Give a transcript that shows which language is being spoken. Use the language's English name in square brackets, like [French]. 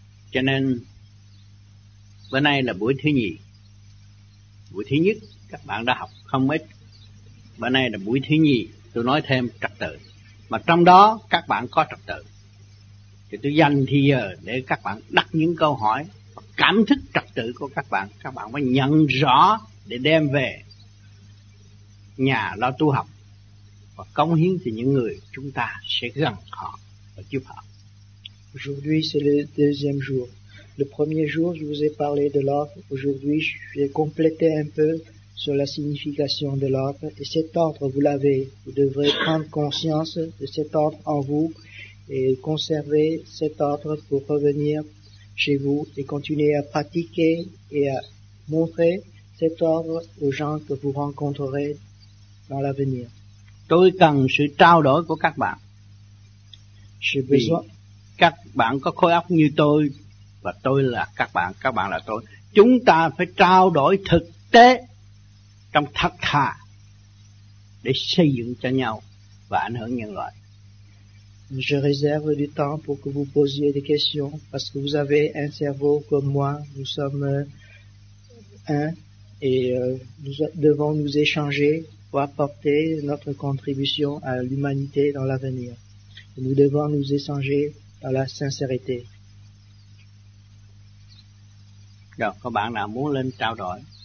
[Vietnamese] Cho nên, bữa nay là buổi thứ nhì. Buổi thứ nhất, các bạn đã học không ít. Bữa nay là buổi thứ nhì, tôi nói thêm trật tự. Mà trong đó, các bạn có trật tự. Thì tôi dành thì giờ để các bạn đặt những câu hỏi và cảm thức trật tự của các bạn. Các bạn mới nhận rõ để đem về nhà lo tu học và cống hiến cho những người chúng ta sẽ gần họ và giúp họ. [French] Aujourd'hui c'est le deuxième jour. Le premier jour je vous ai parlé de l'ordre. Aujourd'hui je vais compléter un peu sur la signification de l'ordre. Et cet ordre vous l'avez. Vous devrez prendre conscience de cet ordre en vous et conserver cet ordre pour revenir chez vous et continuer à pratiquer et à montrer cet ordre aux gens que vous rencontrerez dans l'avenir. [Vietnamese] Tôi cần sự trao đổi của các bạn. [French] J'ai besoin. [Vietnamese] Các bạn có khối óc như tôi và tôi là các bạn là tôi. Chúng ta phải trao đổi thực tế trong thật thà để xây dựng cho nhau và ảnh hưởng nhân loại. [French] Je réserve du temps pour que vous posiez des questions parce que vous avez un cerveau comme moi. Nous sommes un et nous devons nous échanger pour apporter notre contribution à l'humanité dans l'avenir. Et nous devons nous échanger dans la sincérité. Donc, [Vietnamese] có bạn nào muốn lên trao đổi?